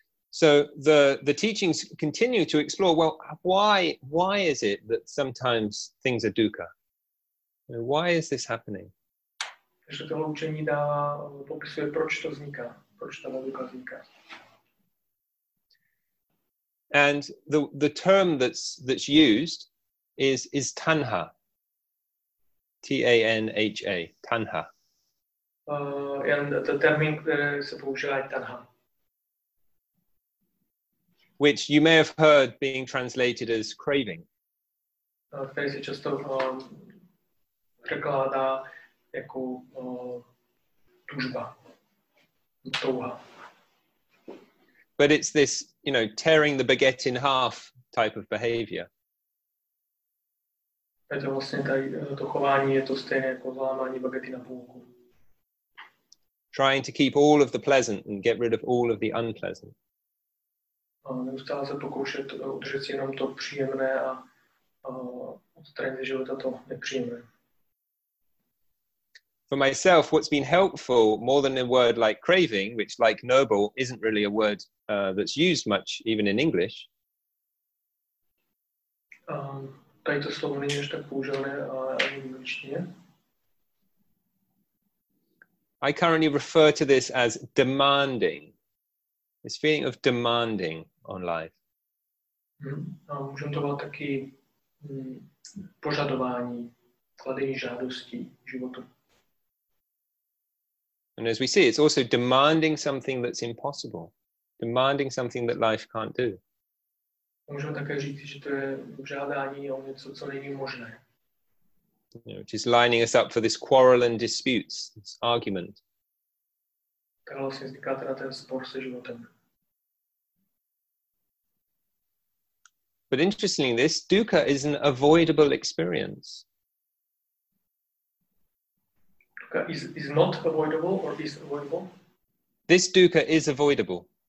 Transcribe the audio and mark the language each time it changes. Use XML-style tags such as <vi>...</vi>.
<en>So the teachings continue to explore, well, why is it that sometimes things are dukkha? Why is this happening?</en> <cs>Takže tohle učení dává, popisuje, proč to vzniká, proč ta dukkha vzniká.</cs> <en>And the term that's used is tanha. T-A-N-H-A, tanha. And the</en> <cs>termín, který se používá, je tanha.</cs> <en>Which you may have heard being translated as craving.</en> <cs>Který se často překládá jako tužba, touha.</cs> <en>But it's this, you know, tearing the baguette in half type of behavior.</en> <cs>Je to vlastně to chování, je to stejné jako zlámání bagety na půlku.</cs> <en>Trying to keep all of the pleasant and get rid of all of the unpleasant.</en> <cs>Neustále se pokoušet udržet si jenom to příjemné a odstranit ze života to nepříjemné.</cs> <en>For myself, what's been helpful more than a word like craving, which like noble isn't really a word that's used much even in English.</en> <cs>Tady to slovo není ještě používané ani v angličtině.</cs> <en>I currently refer to this as demanding. This feeling of demanding on life.</en> <cs>Můžeme to volat taky požadování, kladení žádostí životu.</cs> <en>And as we see, it's also demanding something that's impossible, demanding something that life can't do.</en> <cs>Můžeme také říct, že to je žádání o něco, co není možné.</cs> <en>You know, which is lining us up for this quarrel and disputes, this argument.</en> <cs>Tak vlastně vzniká teda ten spor se životem.</cs> <en>But interestingly, this dukkha is an avoidable experience. Is not avoidable or is avoidable? This dukkha is avoidable.</en>